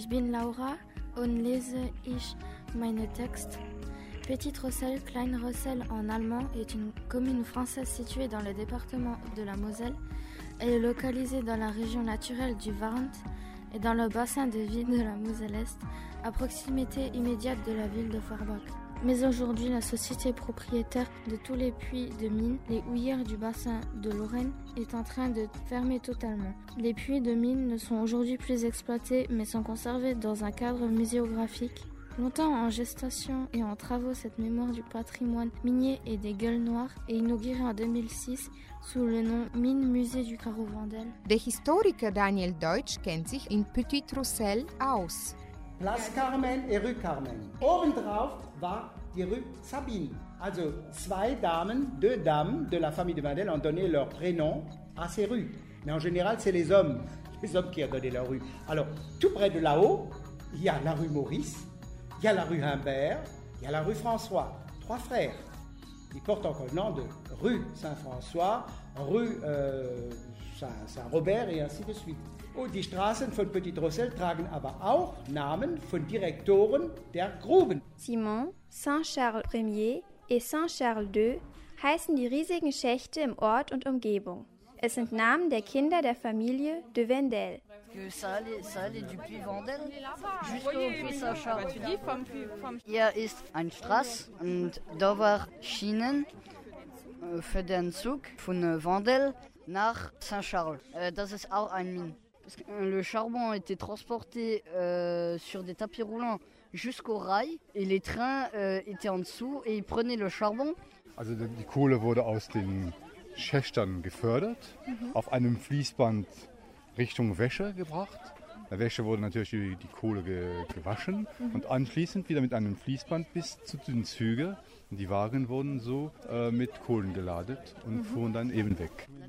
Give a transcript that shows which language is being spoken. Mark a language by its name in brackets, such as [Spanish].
[German] Laura und lese ich meine Texte. [French] Petit Rossel, Klein Rossel en allemand, est une commune française située dans le département de la Moselle. Elle est localisée dans la région naturelle du Warnt et dans le bassin de vie de la Moselle-Est, à proximité immédiate de la ville de Feuerbach. Mais aujourd'hui, la société propriétaire de tous les puits de mine, les houillères du bassin de Lorraine, est en train de fermer totalement. Les puits de mine ne sont aujourd'hui plus exploités, mais sont conservés dans un cadre muséographique. Longtemps en gestation et en travaux, cette mémoire du patrimoine minier et des gueules noires est inaugurée en 2006 sous le nom Mine Musée du Carreau Vandel. [German] Der Historiker Daniel Deutsch kennt sich in Petit Rossel aus. [French] Place Carmen et Rue Carmen. [German] Obendrauf war die Rue Sabine. Also zwei Damen, [French] deux dames de la famille de Vandel ont donné leur prénom à ces rues. Mais en général, c'est les hommes qui ont donné leur rue. Alors, tout près de là-haut, il y a la rue Maurice, il y a la rue Humbert, il y a la rue François. Trois frères. Ils portent encore le nom de rue Saint-François, rue Saint-Robert et ainsi de suite. [German] Und die Straßen von Petit Rossel tragen aber auch Namen von Direktoren der Gruben. Simon, Saint-Charles Premier und Saint-Charles II heißen die riesigen Schächte im Ort und Umgebung. Es sind Namen der Kinder der Familie de Vendel. [French] Ça allait du Puy Vendel jusqu'au Puy Saint-Charles. [German] Hier ist eine Straße und da war Schienen für den Zug von Vendel nach Saint-Charles. Das ist auch ein Mine. [French] Le charbon était transporté sur des tapis roulants jusqu'au rail et les trains étaient en dessous et ils prenaient le charbon. [German] Also die Kohle wurde aus den Schächten gefördert, auf einem Fließband Richtung Wäsche gebracht Der Wäsche wurde natürlich die Kohle gewaschen und anschließend wieder mit einem Fließband bis zu den Zügen. Die Wagen wurden so mit Kohlen geladen und fuhren dann eben weg.